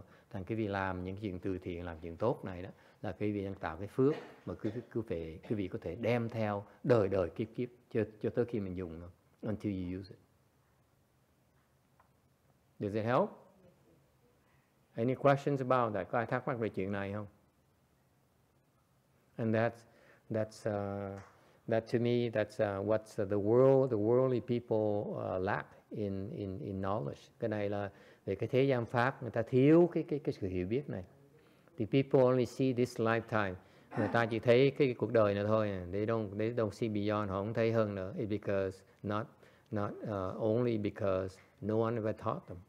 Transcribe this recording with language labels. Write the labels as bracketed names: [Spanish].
[Vietnamese] Thành quý vị làm những chuyện từ thiện, làm chuyện tốt này đó, là quý vị đang tạo cái phước mà quý vị có thể đem theo đời đời kiếp kiếp cho tới khi mình dùng nó, [English] until you use it. Does it help? Any questions about that? [Vietnamese] Có ai thắc mắc về chuyện này không? [English] And that to me, that's what's the worldly people lack in knowledge. [Vietnamese] Cái này là về cái thế gian pháp, người ta thiếu cái sự hiểu biết này. [English] The people only see this lifetime. [Vietnamese] Người ta chỉ thấy cái cuộc đời này thôi. [English] They don't see beyond. [Vietnamese] Họ không thấy hơn nữa. [English] It's because not only because no one ever taught them.